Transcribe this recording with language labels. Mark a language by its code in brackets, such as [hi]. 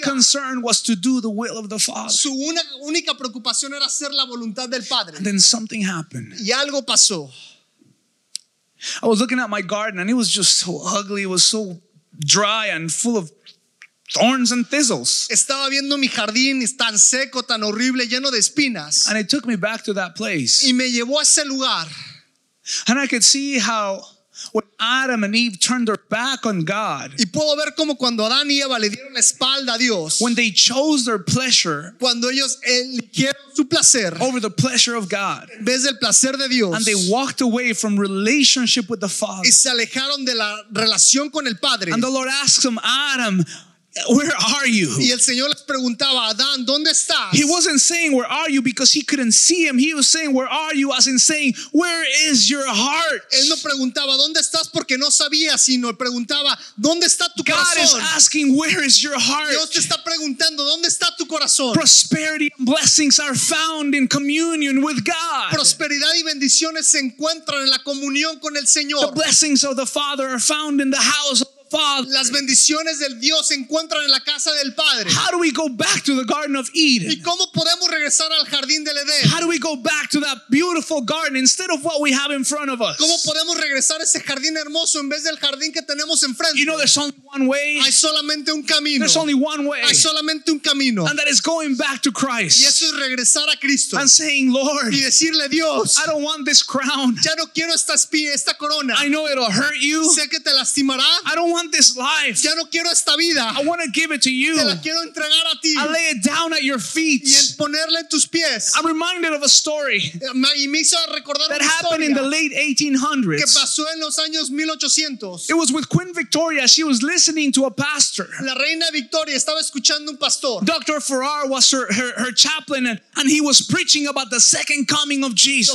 [en] Their concern was to do the will of the Father. [es] Su única preocupación era hacer la voluntad del Padre. [en] And then something happened. [es] Y algo pasó. [en] I was looking at my garden and it was just so ugly. It was so dry and full of thorns and thistles. [es] Estaba viendo mi jardín tan seco, tan horrible, lleno de espinas. [en] And it took me back to that place. [es] Y me llevó a ese lugar. [en] And I could see how when Adam and Eve turned their back on God, [es] y puedo ver como cuando Adán y Eva le dieron la espalda a Dios, [en] when they chose their pleasure, [es] cuando ellos eligieron su placer, [en] over the pleasure of God, [es] en vez del placer de Dios, [en] and they walked away from relationship with the Father, [es] y se alejaron de la relación con el Padre, [en] and the Lord asked them, Adam, where are you? [es] Y el Señor les preguntaba, Adán, ¿dónde estás? [en] He wasn't saying where are you because he couldn't see him. He was saying where are you as in saying where is your heart? [es] Él no preguntaba dónde estás porque no sabía, sino preguntaba dónde está tu corazón. [en] God is asking where is your heart. [es] Dios te está preguntando dónde está tu corazón. [en] Prosperity and blessings are found in communion with God. [es] Prosperidad y bendiciones se encuentran en la comunión con el Señor. [en] The blessings of the Father are found in the house of Father. [es] Las bendiciones del Dios se encuentran en la casa del Padre. [en] How do we go back to the Garden of Eden? [es] ¿Y cómo podemos regresar al Jardín del Edén? [en] How do we go back to that beautiful garden instead of what we have in front of us? [es] ¿Cómo podemos regresar a ese jardín hermoso en vez del jardín que tenemos enfrente? [en] You know, there's only one way. [es] Hay solamente un camino. [en] There's only one way. [es] Hay solamente un camino. [en] And that is going back to Christ. [es] Y eso es regresar a Cristo. [en] And saying, Lord, [es] y decirle, Dios, [en] I don't want this crown. [es] Ya no quiero esta corona. [en] I know it'll hurt you. [es] Sé que te lastimará. [en] I don't want this life. [es] Ya no quiero esta vida. [en] I want to give it to you. [es] Te la quiero entregar a ti. [en] I lay it down at your feet. [es] Y ponerle en tus pies. [en] I'm reminded of a story that happened in the late 1800s. [es] Que pasó en los años 1800. [en] It was with Queen Victoria. She was listening to a pastor. [es] La reina Victoria estaba escuchando un pastor. [en] Dr. Farrar was her chaplain and he was preaching about the second coming of Jesus.